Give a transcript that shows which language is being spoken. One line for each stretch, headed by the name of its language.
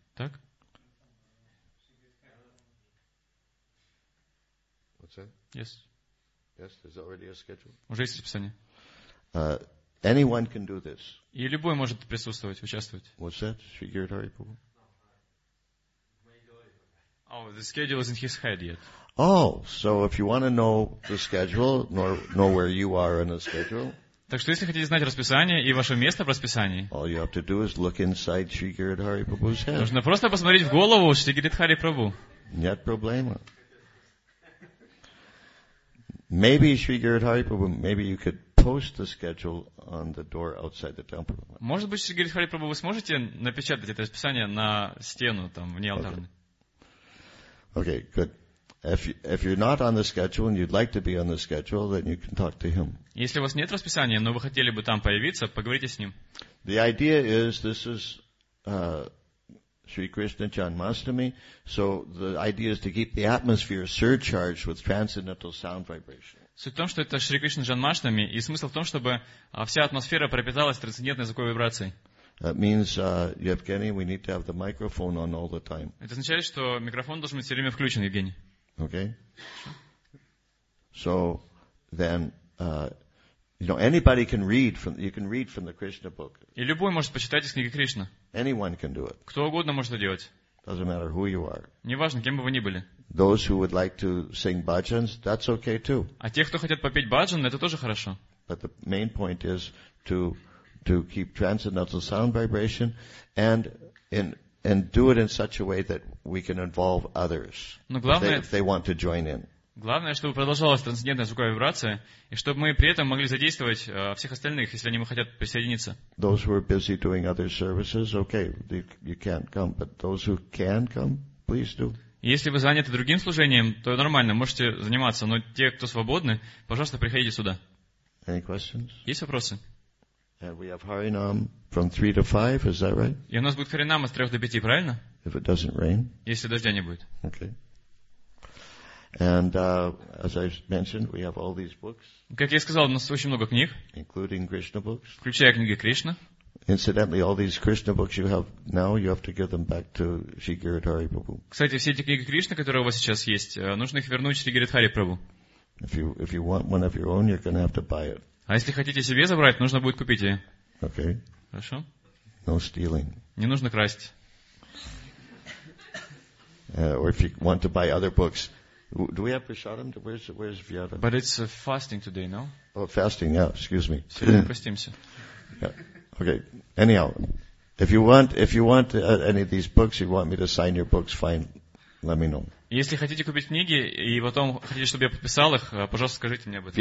Russian: Так?
English: Yes. Yes, there's already a schedule.
Russian: Уже есть расписание.
English: Anyone can do this.
Russian: И любой может присутствовать, участвовать.
English: What's that? Shri Giridhari Prabhu? Oh, the schedule is in his head yet. Oh, so if you want to know the schedule, know where you are in the schedule.
Russian: Так что если хотите знать расписание и ваше место в расписании,
English: all you have to do is look inside Shri Giridhari Prabhu's head.
Russian: Нужно просто посмотреть в голову Шри Гиридхари Прабху. Нет проблемы.
English: Maybe Shri Giridhari Prabhu, maybe you could post the schedule on the door outside the temple.
Russian: Может быть, Шри Гиридхари Прабху, вы сможете напечатать это расписание на стену там вне алтарной?
English: Okay, good. If you're not on the schedule and you'd like to be on the schedule, then you can talk to him.
Russian: Если у вас нет расписания, но вы хотели бы там появиться, поговорите с ним.
English: The idea is this is Shri Krishna Janmashtami, so the idea is to keep the atmosphere surcharged with transcendental sound vibration.
Russian: Суть в том, что это Шри Кришна Джанмаштами, и смысл в том, чтобы вся атмосфера пропиталась трансцендентной звуковой вибрацией.
English: That means, Yevgeny, we need to have the microphone on all the time.
Russian: Это означает, что микрофон должен быть все время включен, Евгений.
English: Okay. So then, you know, anybody can read from, you can read from the Krishna book.
Russian: И любой может почитать из книги Кришна.
English: Anyone can do it.
Russian: Кто угодно может это делать.
English: Doesn't matter who you are.
Russian: Неважно, кем бы вы ни были.
English: Those who would like to sing bhajans, that's okay too.
Russian: А те, кто хотят попеть баджан, это тоже хорошо.
English: But the main point is to keep transcendental sound vibration and do it in such a way that we can involve others.
Russian: Но главное,
English: if they want to join in.
Russian: Главное, чтобы продолжалась трансцендентная звуковая вибрация, и чтобы мы при этом могли задействовать всех остальных, если они хотят присоединиться.
English: Those who are busy doing other services, okay, you can't come, but those who can come, please do.
Russian: Если вы заняты другим служением, то нормально, можете заниматься, но те, кто свободны, пожалуйста, приходите сюда.
English: Any questions?
Russian: Есть вопросы?
English: And we have Harinam from 3 to 5, is that right?
Russian: И у нас будет Харинам от 3 до 5, правильно?
English: If it doesn't rain.
Russian: Если дождя не будет.
English: Okay. And as I mentioned, we have all these books.
Russian: Как я сказал, у нас очень много книг.
English: Including Krishna books.
Russian: Включая книги Кришна.
English: Incidentally, all these Krishna books you have now, you have to give them back to Shri Giridhari Prabhu.
Russian: Кстати, все эти книги Кришна, которые у вас сейчас есть, нужно их вернуть Шри Гиридхари Прабху.
English: If you want one of your own, you're going to have to buy it.
Russian: А если хотите себе забрать, нужно будет купить ее.
English: Okay.
Russian: Хорошо.
English: No stealing.
Russian: Не нужно красть.
English: Or if you want to buy other books. Do we have prasadam? Where's Vyada? But it's fasting today, no? Oh, fasting, yeah. Excuse me.
Russian: Простимся.
English: Yeah. Okay. Anyhow, if you want any of these books, you want me to sign your books, fine. Let me know.
Russian: Если хотите купить книги, и потом хотите, чтобы я подписал их, пожалуйста, скажите мне об этом.